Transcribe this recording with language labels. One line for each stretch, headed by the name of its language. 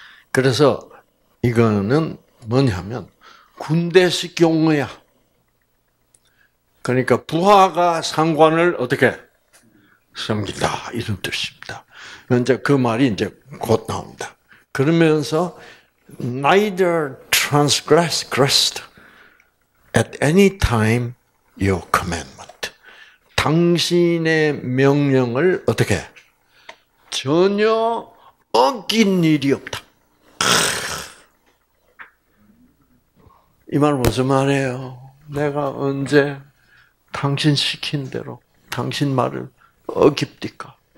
Korean: 그래서 이거는 뭐냐면 군대식 용어야. 그러니까 부하가 상관을 어떻게 섬긴다 이런 뜻입니다. 이제 그 말이 이제 곧 나옵니다. 그러면서
English: neither transgressed at any time your commandment.
Korean: 당신의 명령을 어떻게 전혀 어긴 일이 없다. 이 말 무슨 말이에요? 내가 언제 당신 시킨 대로 당신 말을 어깁니까?